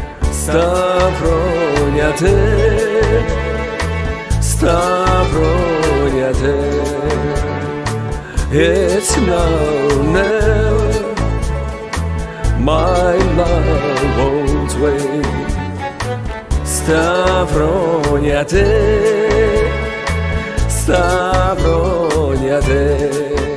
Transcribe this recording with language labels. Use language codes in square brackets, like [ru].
[it] Sta proprio a te, sta proprio a te. [en] It's now or never, my love won't wait. [it] Sta proprio a te, sta proprio a te.